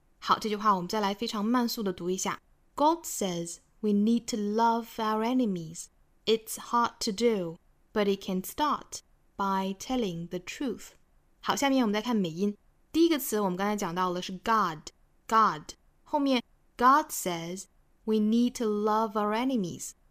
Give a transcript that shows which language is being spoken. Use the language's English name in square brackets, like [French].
[Chinese] 好，这句话我们再来非常慢速的读一下。 [English] God says we need to love our enemies. It's hard to do, but it can start by telling the truth. [Chinese] 好，下面我们再看美音。第一个词我们刚才讲到了是 God， 后面。 [English] God says we need to love our enemies.